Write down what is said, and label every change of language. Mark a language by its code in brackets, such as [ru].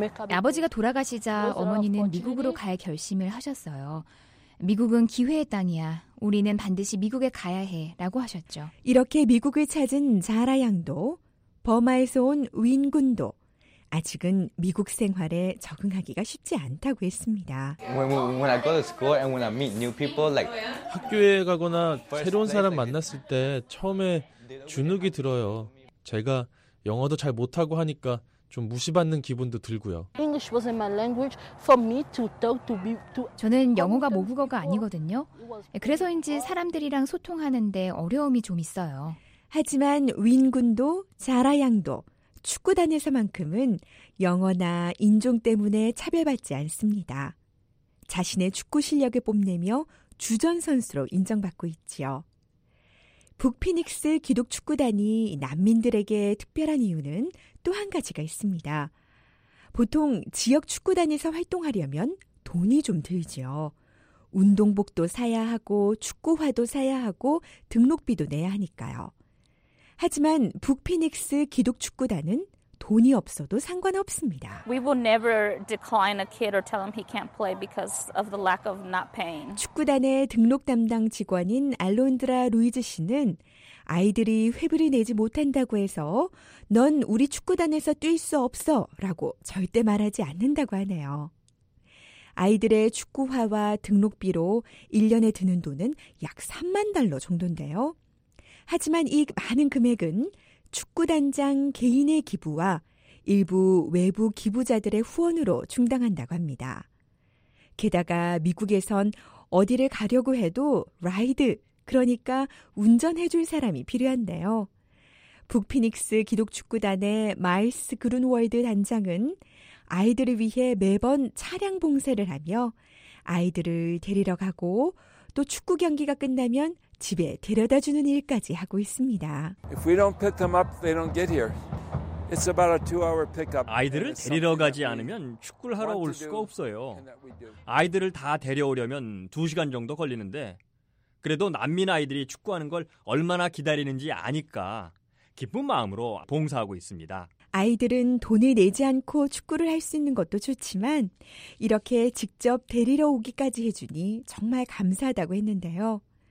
[ko] 아버지가 돌아가시자 어머니는 미국으로 갈 결심을 하셨어요. 미국은 기회의 땅이야. 우리는 반드시 미국에 가야 해 라고 하셨죠. 이렇게 미국을 찾은 자라 양도 버마에서 온 윈군도 아직은 미국 생활에 적응하기가 쉽지 않다고 했습니다. [en] When I go to school and when I meet new people, like [ko] 학교에 가거나 새로운 사람 만났을 때 처음에 주눅이 들어요. 제가 영어도 잘 못하고 하니까 좀 무시받는 기분도 들고요. [en] English wasn't my language for me to talk to me to. [ko] 저는 영어가 모국어가 아니거든요. 그래서인지 사람들이랑 소통하는데 어려움이 좀 있어요. 하지만 윈군도 자라 양도 축구단에서만큼은 영어나 인종 때문에 차별받지 않습니다. 자신의 축구 실력을 뽐내며 주전 선수로 인정받고 있지요. 북피닉스 기독축구단이 난민들에게 특별한 이유는 또 한 가지가 있습니다. 보통 지역 축구단에서 활동하려면 돈이 좀 들죠. 운동복도 사야 하고 축구화도 사야 하고 등록비도 내야 하니까요. 하지만 북피닉스 기독축구단은 돈이 없어도 상관없습니다. [en] We will never decline a kid or tell him he can't play because of the lack of not paying. [ko] 축구단의 등록 담당 직원인 알론드라 루이즈 씨는 아이들이 회비를 내지 못한다고 해서 넌 우리 축구단에서 뛸 수 없어 라고 절대 말하지 않는다고 하네요. 아이들의 축구화와 등록비로 1년에 드는 돈은 약 3만 달러 정도인데요. 하지만 이 많은 금액은 축구단장 개인의 기부와 일부 외부 기부자들의 후원으로 충당한다고 합니다. 게다가 미국에선 어디를 가려고 해도 라이드, 그러니까 운전해줄 사람이 필요한데요. 북피닉스 기독축구단의 마일스 그룬월드 단장은 아이들을 위해 매번 차량 봉사를 하며 아이들을 데리러 가고 또 축구 경기가 끝나면 집에 데려다 주는 일까지 하고 있습니다. [en] If we don't pick them up, they don't get here. It's about a two-hour pickup. [ko] 아이들을 데리러 가지 않으면 축구를 하러 올 수가 없어요. 아이들을 다 데려오려면 2시간 정도 걸리는데 그래도 난민 아이들이 축구하는 걸 얼마나 기다리는지 아니까 기쁜 마음으로 봉사하고 있습니다. 아이들은 돈을 내지 않고 축구를 할 수 있는 것도 좋지만 이렇게 직접 데리러 오기까지 해주니 정말 감사하다고 했는데요.